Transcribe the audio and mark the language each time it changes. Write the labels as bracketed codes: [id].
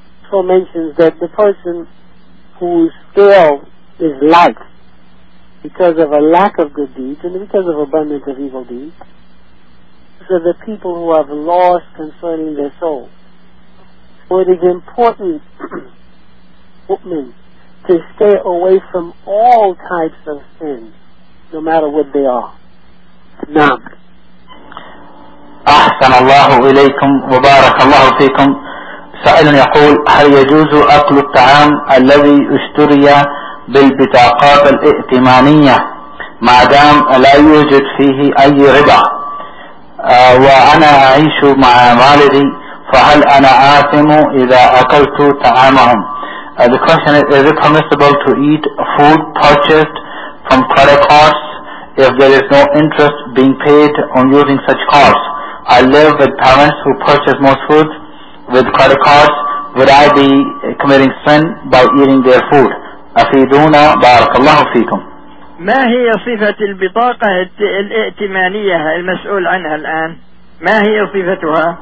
[en] So mentions that the person whose scale is light because of a lack of good deeds and because of abundance of evil deeds, so the people who have lost concerning their soul. So it is important, mu'min, to stay away from all types of sins, no matter what they are. [ar] Naam. أحسن الله إليكم وبارك الله فيكم. سائل يقول: هل يجوز أكل الطعام الذي اشتري بالبطاقات الائتمانية ما دام لا يوجد فيه أي ربا، وأنا أعيش مع والدي، فهل أنا آثم إذا أكلت طعامهم؟ [en] The question is: is it permissible to eat food purchased from credit cards if there is no interest being paid on using such cards? I live with parents who purchase most food with credit cards. Would I be committing sin by eating their food? [ar] أفيدونا بارك الله فيكم. ما هي صفة البطاقة الائتمانية المسؤول عنها الآن؟ ما هي صفتها؟